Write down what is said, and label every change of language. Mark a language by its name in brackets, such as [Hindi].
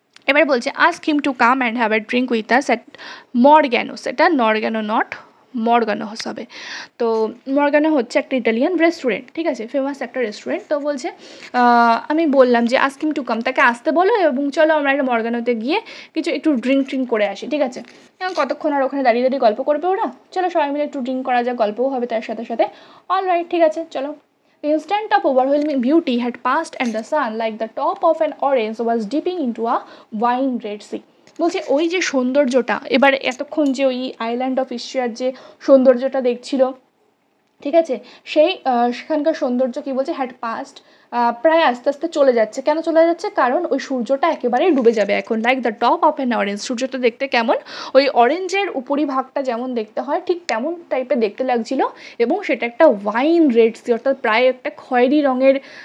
[Bangla] এবার বলছে [English] ask him to come and have a drink with us at Morgano's, [Bangla] এটা নরগ্যানো not মরগ্যানোস হবে, তো মরগ্যানো হচ্ছে একটা ইটালিয়ান রেস্টুরেন্ট, ঠিক আছে, ফেমাস একটা রেস্টুরেন্ট। তো বলছে আমি বললাম যে [English] ask him to come, [Bangla] তাকে আসতে বলো এবং চলো আমরা একটা মরগ্যানোতে গিয়ে কিছু একটু ড্রিঙ্ক ট্রিঙ্ক করে আসি, ঠিক আছে, এবং কতক্ষণ আর ওখানে দাঁড়িয়ে দাঁড়িয়ে গল্প করবে ওরা, চলো সবাই মিলে একটু ড্রিঙ্ক করা যায়, গল্পও হবে তার সাথে সাথে, অল রাইট ঠিক আছে চলো। [English] Instant of overwhelming beauty had passed and the sun, like the top of an orange, was dipping into a wine red sea. [Bangla] বলছে ওই যে সৌন্দর্যটা, এবার এতক্ষণ যে ওই আইল্যান্ড অফ ইশিয়ার যে সৌন্দর্যটা দেখছিল, ঠিক আছে, সেই সেখানকার সৌন্দর্য কী বলছে, [English] had passed, [Bangla] প্রায় আস্তে আস্তে চলে যাচ্ছে, কেন চলে যাচ্ছে, কারণ ওই সূর্যটা একেবারেই ডুবে যাবে এখন, [English] like the top of an orange, [Bangla] সূর্যটা দেখতে কেমন, ওই অরেঞ্জের উপরিভাগটা যেমন দেখতে হয় ঠিক তেমন টাইপের দেখতে লাগছিলো, এবং সেটা একটা [English] wine red sea, [Bangla] অর্থাৎ প্রায় একটা খয়েরি রঙের